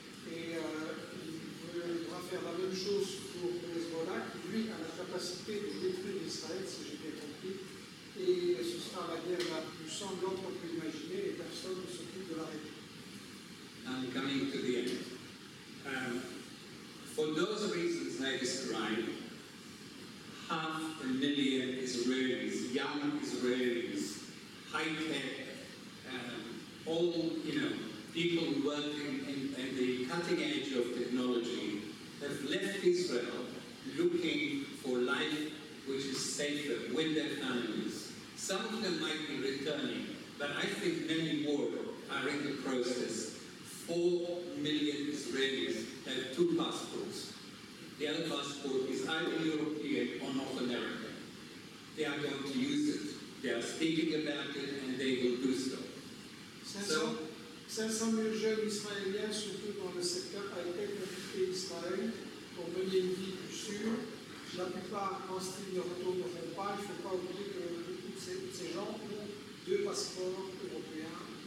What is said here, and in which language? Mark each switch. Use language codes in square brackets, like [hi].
[fr] Et il va faire la même chose pour Hezbollah, qui lui a la capacité de détruire Israël, si j'ai bien compris. Et ce sera la guerre la plus sanglante qu'on peut imaginer, et personne ne s'occupe de l'arrêter. [en] I'm coming to the end. For those reasons I described, 500,000 Israelis, young Israelis, high-tech, all, you know, people who work in the cutting edge of technology have left Israel looking for life which is safer with their families. Some of them might be returning, but I think many more are in the process. 4 million Israelis have 2 passports. The other passport is either European or North American. They are going to use it. They are speaking about it and they will do so. [fr] 500,000 jeunes israéliens, surtout dans le secteur high-tech, ont quitté Israël pour mener une vie plus sûre. La plupart, quand ils ne retourneront pas, il ne faut pas oublier que tous ces gens ont 2 passeports européens.